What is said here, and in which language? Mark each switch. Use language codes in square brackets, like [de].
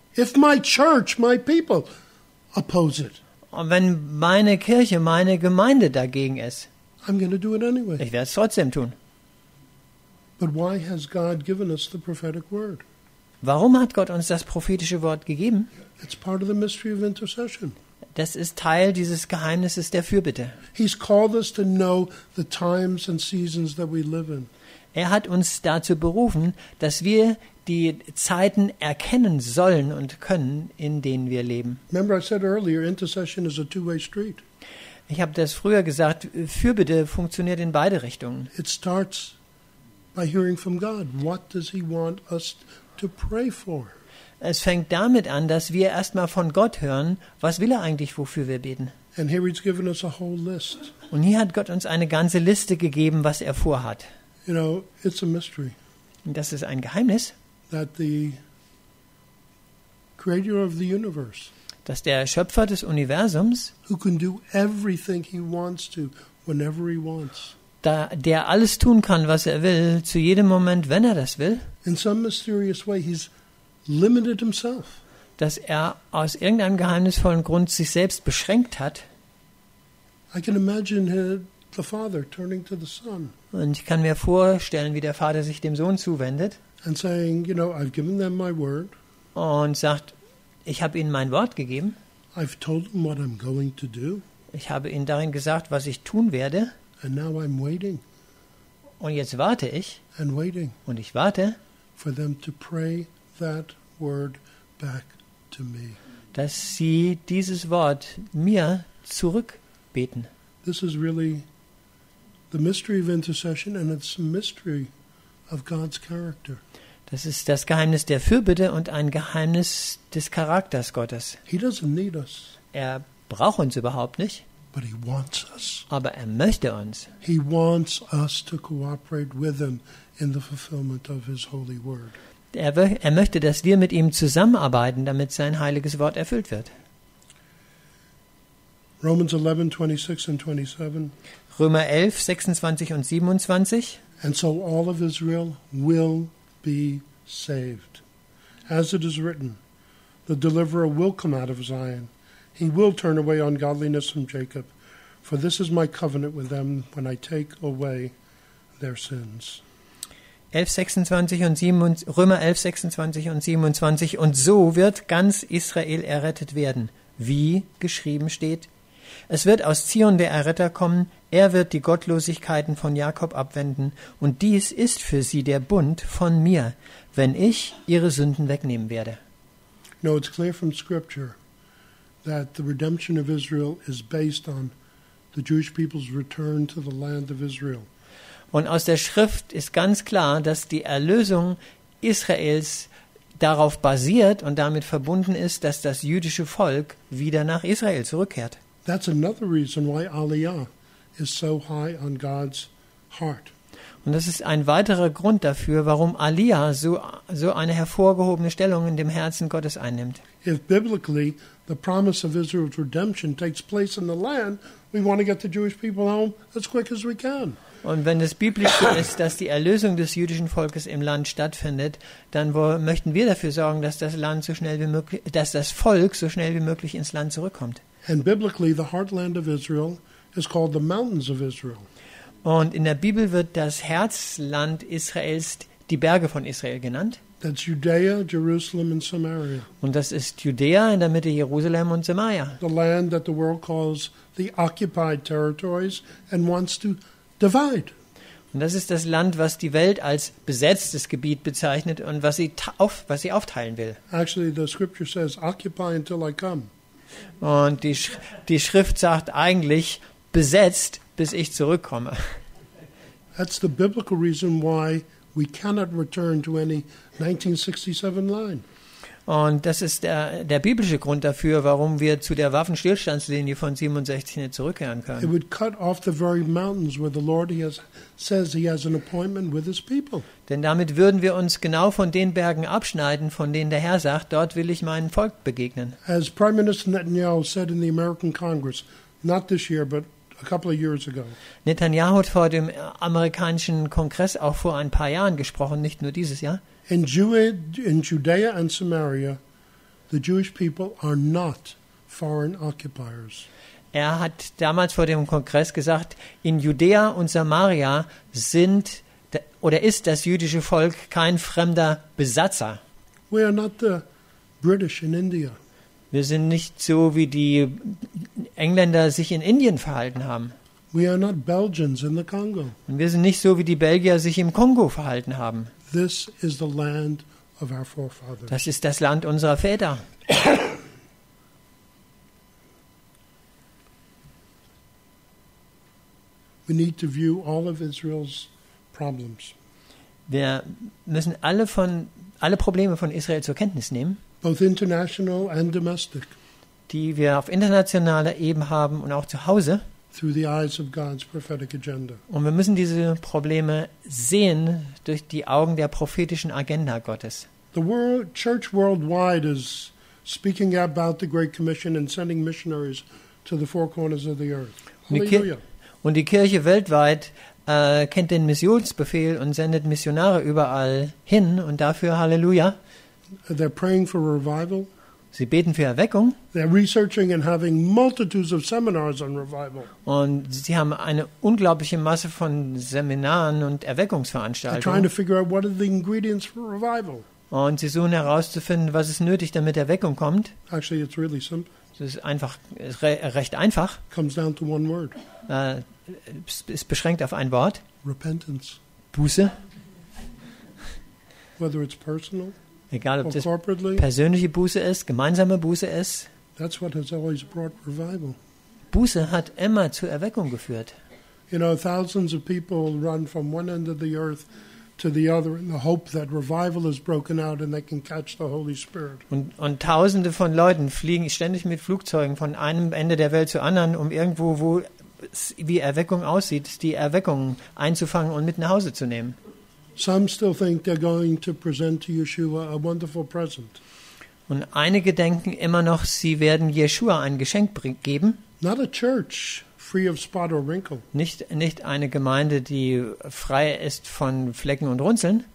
[en] If my church, my people oppose it, [de] und wenn meine Kirche, meine Gemeinde dagegen ist, [en] I'm going to do it anyway. [de] Ich werde es trotzdem tun. [en] But why has God given us the prophetic word? [de] Warum hat Gott uns das prophetische Wort gegeben? [en] It's part of the mystery of intercession. [de] Das ist Teil dieses Geheimnisses der Fürbitte. [en] He's called us to know the times and seasons that we live in. [de] Er hat uns dazu berufen, dass wir die Zeiten erkennen sollen und können, in denen wir leben. [en] Remember, I said earlier, intercession is a two-way street. [de] Ich habe das früher gesagt, Fürbitte funktioniert in beide Richtungen. [en] It starts by hearing from God. What does he want us to pray for? [de] Es fängt damit an, dass wir erstmal von Gott hören, was will er eigentlich, wofür wir beten. [en] And here he's given us a whole list. [de] Und hier hat Gott uns eine ganze Liste gegeben, was er vorhat. [en] You know, it's a mystery. [de] Das ist ein Geheimnis, [en] that the creator of the universe, [de] dass der Schöpfer des Universums, [en] who can do everything he wants to, whenever he wants, [de] der alles tun kann, was er will, zu jedem Moment, wenn er das will, [en] in some mysterious way he's limited himself, [de] dass er aus irgendeinem geheimnisvollen Grund sich selbst beschränkt hat. [en] I can imagine the father turning to the son. [de] Und ich kann mir vorstellen, wie der Vater sich dem Sohn zuwendet [en] and saying, you know, I've given them my word. [de] Und sagt, ich habe ihnen mein Wort gegeben. [en] I've told them what I'm going to do. [de] Ich habe ihnen darin gesagt, was ich tun werde. [en] And now I'm waiting. [de] Und jetzt warte ich. [en] And waiting. [de] Und ich warte, [en] for them to pray that word back to me. [de] Dass sie dieses Wort mir zurückbeten. [en] This is really the mystery of intercession, and it's a mystery of God's character. [de] Das ist das Geheimnis der Fürbitte und ein Geheimnis des Charakters Gottes. [en] He doesn't need us. [de] Er braucht uns überhaupt nicht. [en] But he wants us. [de] Aber er möchte uns. [en] He wants us to cooperate with him in the fulfillment of his holy word. [de] Er möchte, dass wir mit ihm zusammenarbeiten, damit sein heiliges Wort erfüllt wird. [en] Romans 11, 26 and 27. [de] Römer 11, 26 und 27. [en] And so all of Israel will be saved. As it is written, the deliverer will come out of Zion. He will turn away ungodliness from Jacob. For this is my covenant with them when I take away their sins. [de] 11:26 und 7, Römer 11:26 und 27. Und so wird ganz Israel errettet werden, wie geschrieben steht: Es wird aus Zion der Erretter kommen, er wird die Gottlosigkeiten von Jakob abwenden, und dies ist für sie der Bund von mir, wenn ich ihre Sünden wegnehmen werde. [en] No, it's clear from scripture that the redemption of Israel is based on the Jewish people's return to the land of Israel. [de] Und aus der Schrift ist ganz klar, dass die Erlösung Israels darauf basiert und damit verbunden ist, dass das jüdische Volk wieder nach Israel zurückkehrt. [en] That's another reason why Aliyah is so high on God's heart. [de] Und das ist ein weiterer Grund dafür, warum Aliyah so eine hervorgehobene Stellung in dem Herzen Gottes einnimmt. [en] If biblically the promise of Israel's redemption takes place in the land, we want to get the Jewish people home as quick as we can. [de] Und wenn es biblisch so ist, dass die Erlösung des jüdischen Volkes im Land stattfindet, dann möchten wir dafür sorgen, dass das Land so schnell wie möglich, dass das Volk so schnell wie möglich ins Land zurückkommt. [en] And biblically the heartland of Israel is called the mountains of Israel. [de] Und in der Bibel wird das Herzland Israels die Berge von Israel genannt. [en] That's Judea, Jerusalem and Samaria. [de] Und das ist Judäa, in der Mitte Jerusalem und Samaria. [en] The land that the world calls the occupied territories and wants to divide. [de] Und das ist das Land, was die Welt als besetztes Gebiet bezeichnet und was sie aufteilen will. [en] Actually, the scripture says, occupy until I come. [de] Und die Schrift sagt eigentlich, besetzt, bis ich zurückkomme. [en] That's the biblical reason why we cannot return to any 1967 line. [de] Und das ist der biblische Grund dafür, warum wir zu der Waffenstillstandslinie von 67 nicht zurückkehren können. [en] It would cut off the very mountains where the Lord says he has an appointment with his people. [de] Denn damit würden wir uns genau von den Bergen abschneiden, von denen der Herr sagt, dort will ich meinem Volk begegnen. [en] As Prime Minister Netanyahu said in the American Congress, not this year, but a couple of years ago. [de] Netanyahu hat vor dem amerikanischen Kongress auch vor ein paar Jahren gesprochen, nicht nur dieses Jahr. [en] In Judea and Samaria, the Jewish people are not foreign occupiers. [de] Er hat damals vor dem Kongress gesagt, in Judäa und Samaria ist das jüdische Volk kein fremder Besatzer. [en] We are not the British in India. [de] Wir sind nicht so, wie die Engländer sich in Indien verhalten haben. [en] We are not Belgians in the Congo. [de] Und wir sind nicht so, wie die Belgier sich im Kongo verhalten haben. [en] This is the land of our forefathers. [de] Das ist das Land unserer Väter. [en] We need to view all of Israel's problems. [de] Wir müssen alle Probleme von Israel zur Kenntnis nehmen. [en] Both international and domestic. [de] Die wir auf internationaler Ebene haben und auch zu Hause. [en] Through the eyes of God's prophetic agenda. [de] Und wir müssen diese Probleme sehen durch die Augen der prophetischen Agenda Gottes. [en] The world, church worldwide is speaking about the Great Commission and sending missionaries to the four corners of the earth. [de] Halleluja. Und die Kirche weltweit kennt den Missionsbefehl und sendet Missionare überall hin und dafür Halleluja. [en] They're praying for revival. [de] Sie beten für Erweckung. [en] They're researching and having multitudes of seminars on revival. [de] Und sie haben eine unglaubliche Masse von Seminaren und Erweckungsveranstaltungen. [en] They're trying to figure out what are the ingredients for revival. [de] Und sie suchen herauszufinden, was ist nötig, damit Erweckung kommt. [en] Actually, it's really simple. [de] Es ist einfach, ist recht einfach. [en] Comes down to one word. [de] Ist beschränkt auf ein Wort. [en] Repentance. [de] Buße. [en] Whether it's personal. [de] Egal, ob das persönliche Buße ist, gemeinsame Buße ist. [en] That's what has always brought revival. [de] Buße hat immer zur Erweckung geführt. [en] You know, thousands of people run from one end of the earth to the other in the hope that revival has broken out and they can catch the Holy Spirit. [de] Und tausende von Leuten fliegen ständig mit Flugzeugen von einem Ende der Welt zu anderen, um irgendwo, wo wie Erweckung aussieht, die Erweckung einzufangen und mit nach Hause zu nehmen. [en] Some still think they're going to present to Yeshua a wonderful present. [de] Und einige denken immer noch, sie werden Yeshua ein Geschenk geben. [en] Not a church free of spot or wrinkle. [de] Nicht eine Gemeinde, die frei ist von Flecken und Runzeln.